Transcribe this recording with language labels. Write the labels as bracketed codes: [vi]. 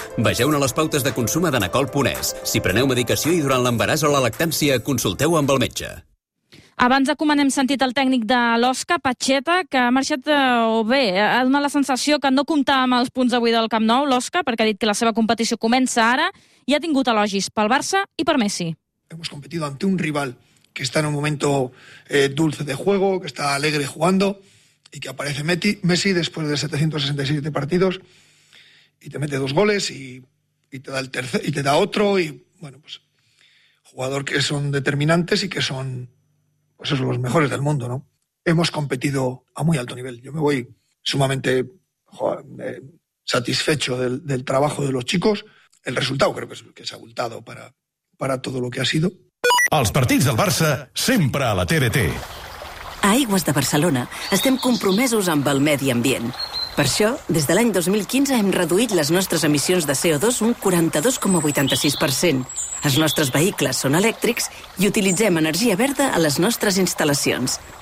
[ca] Vegeu-ne les pautes de consum a danacol.es. Si preneu medicació i durant l'embaràs o la lactància, consulteu amb el metge. Abans de comentar, hem sentit el tècnic de l'Osca, Pacheta, que ha marxat, ha donat la sensació que no comptava amb els punts d'avui del Camp Nou, l'Osca, perquè ha dit que la seva competició comença ara i ha tingut elogis pel Barça i per Messi. [es] Hemos competido ante un rival que está en un momento dulce de juego, que está alegre jugando y que aparece Messi después de 767 partidos y te mete dos goles y te da el tercer y te da otro y bueno, pues jugador que son determinantes y que son pues esos los mejores del mundo, ¿no? Hemos competido a muy alto nivel. Yo me voy sumamente satisfecho del trabajo de los chicos. El resultado creo que es abultado para todo lo que ha sido. [ca] Els partits del Barça sempre a la TDT. A Aigües de Barcelona estem compromesos amb el medi ambient. Per això, des de l'any 2015 hem reduït les nostres emissions de CO2 un 42,86%. Els nostres vehicles són elèctrics i utilitzem energia verda a les nostres instal·lacions.